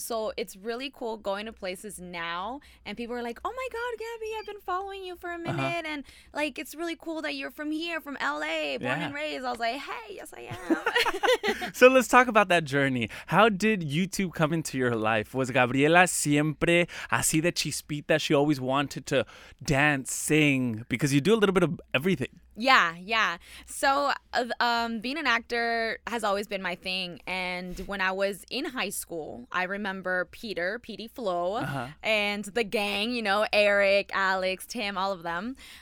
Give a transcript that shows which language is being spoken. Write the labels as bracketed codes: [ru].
[en] So it's really cool going to places now and people are like, oh my God, Gabby, I've been following you for a minute. Uh-huh. And like, it's really cool that you're from here, from LA, born and raised. I was like, hey, yes I am. So let's talk about that journey. How did YouTube come into your life? Was [es] Gabriela siempre así de chispita? [en] She always wanted to dance, sing, because you do a little bit of everything. Yeah. So being an actor has always been my thing. And when I was in high school, I remember PD Flo, and the gang, you know, Eric, Alex, Tim, all of them.